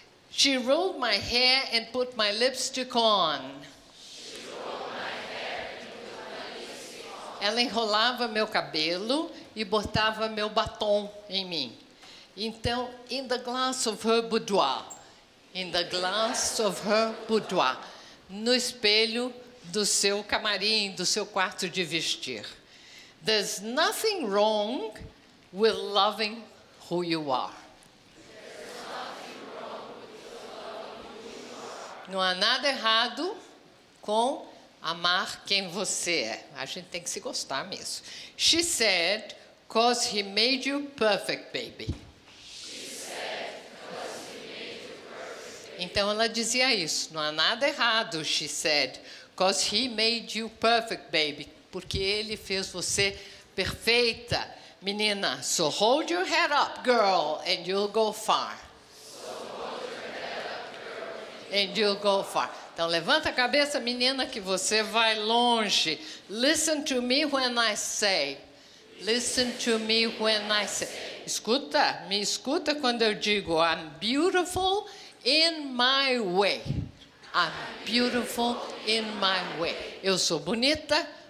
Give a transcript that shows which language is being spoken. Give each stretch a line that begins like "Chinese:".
English: She rolled my hair and put my lipstick on. She rolled my hair and put my lipstick on.
Portuguese: Ela enrolava meu cabelo e botava meu batom em mim.
English: Então, in the glass of her boudoir. In the glass of her boudoir.
Portuguese: No espelho do seu camarim, do seu quarto de vestir.
English: There's nothing wrong with loving who you are.
Portuguese: Não há nada errado com amar quem você é. A gente tem que se gostar mesmo.
English: She said, 'cause he made you perfect, baby.
Portuguese: Então ela dizia isso. Não há nada errado,
English: she said. 'Cause he made you perfect, baby.
Portuguese: Porque ele fez você perfeita, menina.
English: So hold your head up, girl, and you'll go far. So hold your head up, girl, and you'll go far.
Portuguese: Então levanta a cabeça, menina, que você vai longe.
English: Listen to me when I say. Listen to me when I say.
Portuguese: Escuta, me escuta quando eu digo,
English: I'm beautiful in my way. I'm beautiful in my way.
Portuguese: Eu sou bonita